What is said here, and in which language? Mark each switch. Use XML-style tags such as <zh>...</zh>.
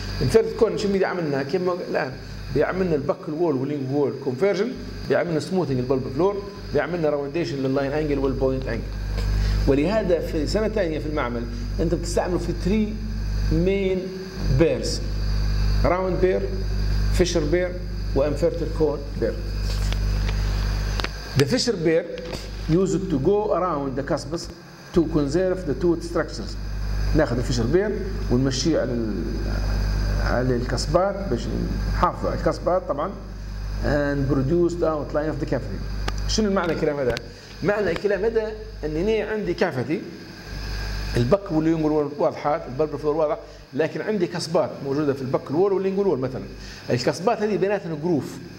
<ar>انفيرتد كون شو بدي اعملنا كما الان بيعملنا البك الوول واللينج وول كونفرجن بيعملنا سموثنج البلب فلور بيعملنا راونديشن لللاين انجل والبوينت انجل. ولهذا في سنه ثانيه في المعمل انت بتستعمله في 3 مين بيرز راوند بير فيشر بير وانفيرتد كون بير.</ar> <en>The fisher bear used to go around the cusps to conserve the tooth structures.</en> <ar>ناخذ الفيشر بير ونمشي على على الكسبات باش نحافظ على الكسبات طبعا</ar> <en>and produce the outline of the cavity.</en> <ar>شنو المعنى الكلام هذا؟ معنى الكلام هذا انني عندي كافيتي البك واللينج وول واضحات البلب فلور واضح لكن عندي كسبات موجوده في البك وول واللينج وول مثلا الكسبات هذه بيناتها جروف</ar>